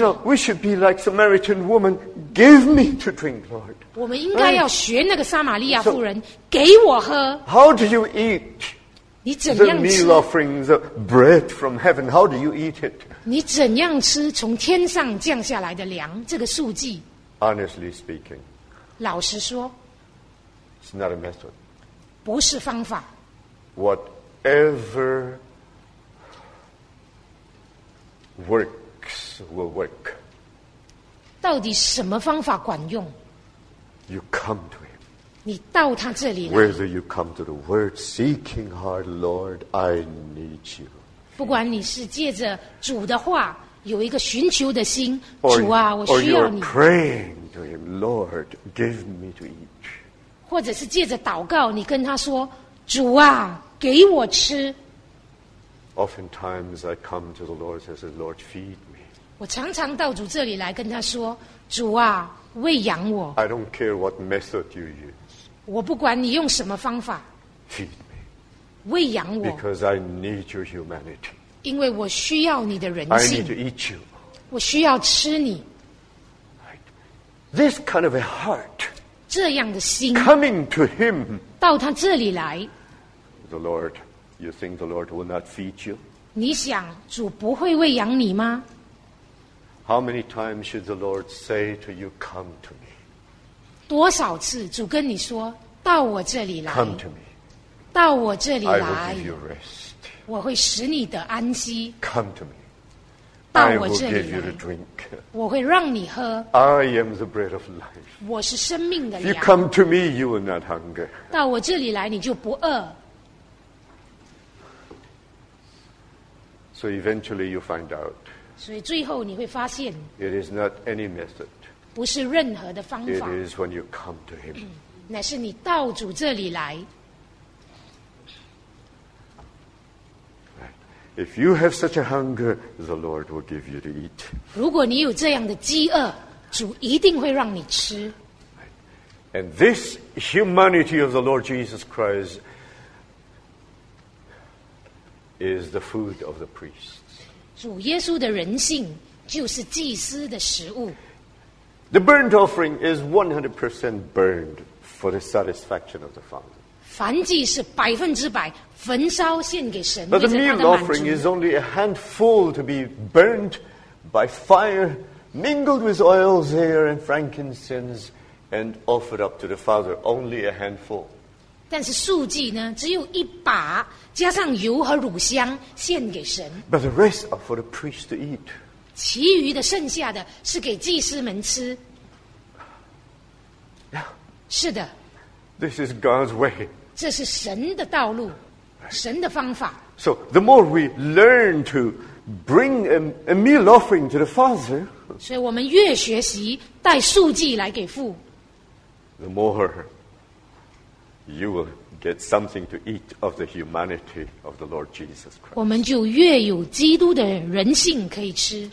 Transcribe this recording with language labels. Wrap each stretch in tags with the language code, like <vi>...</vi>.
<en>You know, we should be like Samaritan woman. Give me to drink, Lord.</en> <zh>我们应该要学那个撒玛利亚妇人，给我喝。</zh> <en>How do you eat?</en> <zh>你怎样吃</zh> <en>the meal offering, the bread from heaven? How do you eat it?</en> <zh>你怎样吃从天上降下来的粮？这个数据</zh> <en>Honestly speaking,</en> <zh>老实说</zh> <en>it's not a method.</en> <zh>不是方法</zh> <en>Whatever works will work.</en> <zh>到底什么方法管用？</zh> <en>You come to him.</en> <zh>你到他这里来。</zh> <en>Whether you come to the word seeking heart, Lord, I need you.</en> <zh>不管你是借着主的话有一个寻求的心</zh> <en>or,</en> <zh>主啊我需要你</zh> <en>or you're praying to him Lord give me to eat</en> <zh>或者是借着祷告你跟他说主啊给我吃</zh> <en>Oftentimes I come to the Lord and say Lord feed me</en> <zh>我常常到主这里来跟他说主啊喂养我</zh> <en>I don't care what method you use</en> <zh>我不管你用什么方法</zh> <en>feed</en> <zh>喂养我</zh> <en>Because I need your humanity.</en> <zh>因为我需要你的人性</zh> <en>I need to eat you.</en> <zh>我需要吃你</zh> <en>This kind of a heart</en> <zh>这样的心</zh> <en>Coming to him</en> <zh>到他这里来</zh> <en>The Lord You think the Lord will not feed you?</en> <zh>你想主不会喂养你吗</zh> <en>How many times should the Lord say to you Come to me</en> <zh>多少次主跟你说到我这里来</zh> <en>Come to me</en> <zh>到我这里来</zh> <en>you rest.</en> <zh>我会使你的安息</zh> <en>Come to me.</en> <zh>到我这里来</zh> <en>I will give you a drink.</en> <zh>我会让你喝</zh> <en>I am the bread of life.</en> <zh>我是生命的粮</zh> <en>If you come to me, you will not hunger.</en> <zh>到我这里来你就不饿</zh> <en>So eventually you find out</en> <zh>所以最后你会发现</zh> <en>It is not any method.</en> <zh>不是任何的方法</zh> <en>It is when you come to him.</en> <zh>乃是你到主这里来</zh> <en>If you have such a hunger, the Lord will give you to eat.</en> <zh>如果你有这样的饥饿，主一定会让你吃。</zh> <en>And this humanity of the Lord Jesus Christ is the food of the priests.</en> <zh>主耶稣的人性就是祭司的食物。</zh> <en>The burnt offering is 100% burned for the satisfaction of the Father.</en> <zh>燔祭是百分之百焚烧献给神。</zh> <en>But the meal offering is only a handful to be burnt by fire, mingled with oils, air, and frankincense, and offered up to the Father. Only a handful.</en> <zh>但是素祭呢，只有一把，加上油和乳香献给神。</zh> <en>But the rest are for the priest to eat.</en> <zh>其余的剩下的是给祭司们吃。是的。</zh> <en>This is God's way.</en> <zh>这是神的道路，神的方法。</zh> <en>So the more we learn to bring a meal offering to the Father,</en> <zh>所以我们越学习带素祭来给父。</zh> <en>The more you will get something to eat of the humanity of the Lord Jesus Christ.</en> <zh>我们就越有基督的人性可以吃。</zh>